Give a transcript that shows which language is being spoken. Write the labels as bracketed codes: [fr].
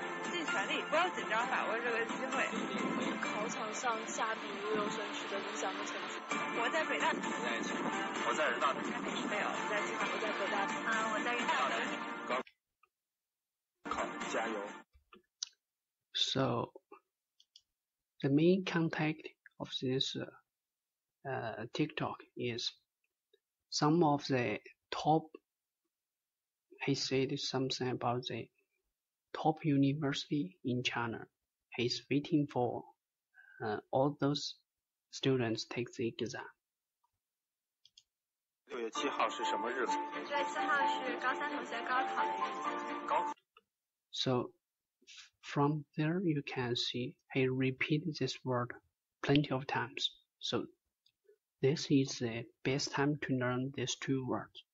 [zh] 尽全力，不要紧张，把握这个机会。考场上下比陆游生取得理想的成绩。我在北大，我在清华，我在人大的，没有，我在清华，我在北大的，我在人大的。高考加油。 [en] So, the main contact of this TikTok is some of the top, he said something about the top university in China. He's waiting for all those students take the exam. [zh] 6月7号是什么日子？ 6月7号是高三同学高考的日子。高考。 [en] So, from there you can see he repeated this word plenty of times. So, this is the best time to learn these two words.